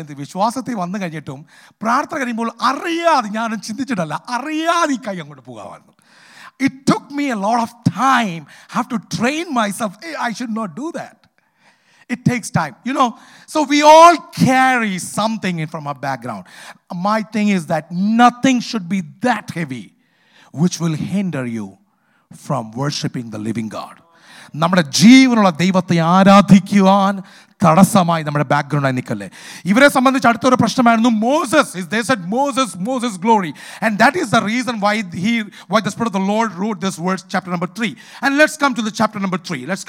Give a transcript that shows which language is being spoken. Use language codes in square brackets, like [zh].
[ml] ഇപ്പോൾ എന്ത് വിശ്വാസത്തിൽ വന്നു കഴിഞ്ഞിട്ടും പ്രാർത്ഥന കഴിയുമ്പോൾ അറിയാതെ, ഞാൻ ചിന്തിച്ചിട്ടല്ല, അറിയാതെ ഈ കൈ അങ്ങോട്ട് പോകാമായിരുന്നു. [en] It took me a lot of time, have to train myself, I should not do that. It takes time, you know. So we all carry something in from our background. My thing is that nothing should be that heavy which will hinder you from worshiping the living God. [ml] നമ്മുടെ ജീവനുള്ള ദൈവത്തെ ആരാധിക്കുവാൻ തടസ്സമായി നമ്മുടെ ബാക്ക്ഗ്രൗണ്ടായി നിൽക്കല്ലേ. ഇവരെ സംബന്ധിച്ച് അടുത്തൊരു പ്രശ്നമായിരുന്നു Moses. [en] They said Moses, Moses glory. And that is the reason why the Spirit of the Lord wrote this verse, chapter number 3. And let's come to the chapter number 3.